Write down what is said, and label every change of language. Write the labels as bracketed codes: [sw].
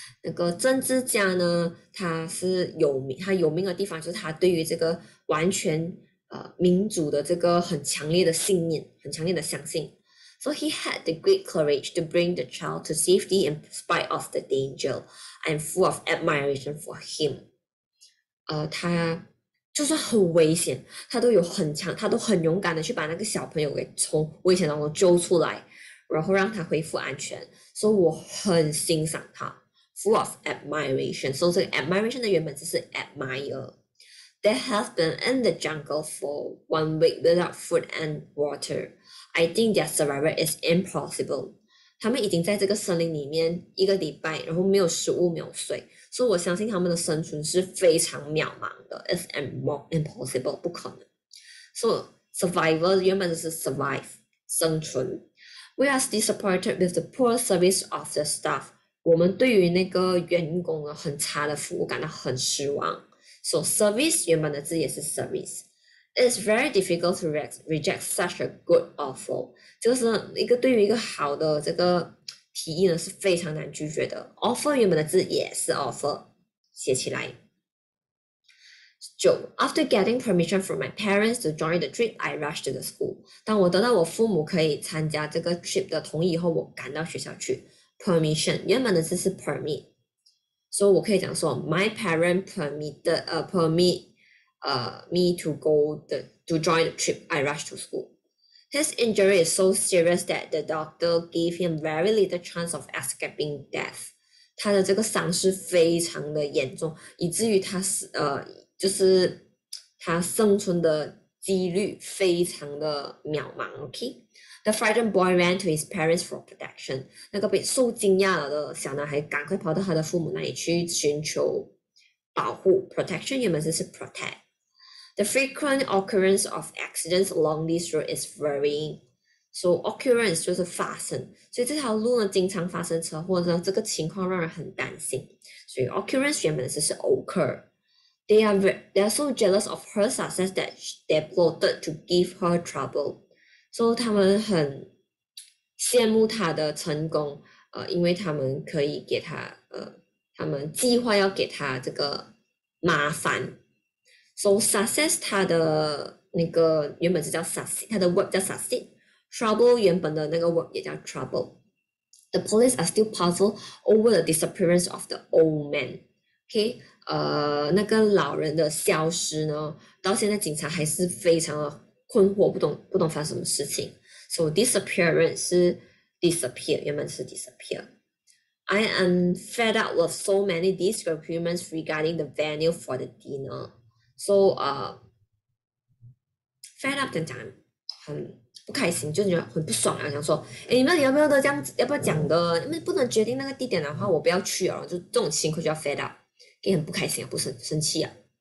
[zh] 那个政治家呢，他有名的地方就是他对于这个完全民主的这个很强烈的信念，很强烈的相信。 [en] So he had the great courage to bring the child to safety in spite of the danger. I'm full of admiration for him。 [zh] 他就算很危险，他都很勇敢的去把那个小朋友给从危险当中救出来。然后让他恢复安全，所以我很欣赏他， [en] full of admiration。 [zh] 所以这个 admiration 的原本就是 admire。 [en] They have been in the jungle for 1 week without food and water. I think their survival is impossible。 [zh] 他们已经在这个森林里面一个礼拜，然后没有食物，没有水，所以我相信他们的生存是非常渺茫的， [en] is impossible， [zh] 不可能。所以 survival 原本就是 survive，生存。 [en] We are disappointed with the poor service of the staff。 [zh] 我们对于那个员工的很差的服务感到很失望。 So service 原本的字也是 service。 [en] It's very difficult to reject such a good offer。 [zh] 就是一个对于一个好的这个提议呢是非常难拒绝的。 Offer 原本的字也是 offer，写起来。九， [en] After getting permission from my parents to join the trip, I rushed to the school。 [zh] 当我得到我父母可以参加这个 trip 的同意以后，我赶到学校去。 [en] Permission [zh] 原本的字是 [en] permit， [zh] 所以我可以讲说， [en] My parents permit me to go to join the trip. I rushed to school. His injury is so serious that the doctor gave him very little chance of escaping death。 [zh] 他的这个伤势非常的严重，以至于他是就是他生存的几率非常的渺茫。 [en] OK，The frightened boy ran to his parents for protection。 [zh] 那个被受惊讶了的小男孩赶快跑到他的父母那里去寻求保护，protection 原本是 protect。 [en] The frequent occurrence of accidents along this road is worrying. [zh] So occurrence 就是发生，所以这条路呢经常发生车祸，或者这个情况让人很担心。所以 occurrence 原本是 occur. [en] They are so jealous of her success that they plotted to give her trouble. [zh] So 他们很羡慕她的成功，因为他们可以给她，他们计划要给她这个麻烦。 So success，它的那个原本是叫 succeed，它的 verb 叫 succeed，trouble 原本的那个 verb 也叫 trouble。 [en] The police are still puzzled over the disappearance of the old man. [zh] Okay，那个老人的消失呢，到现在警察还是非常的困惑，不懂发生什么事情。 So disappearance 是 disappear，原本是 disappear。 [en] I am fed up with so many disagreements regarding the venue for the dinner. [zh] So, fed up 的讲很不开心，就觉得很不爽啊，想说，你们要不要都这样子，要不要讲的？你们不能决定那个地点的话，我不要去啊，就这种情况就要 fed up，也很不开心啊，不是生气啊。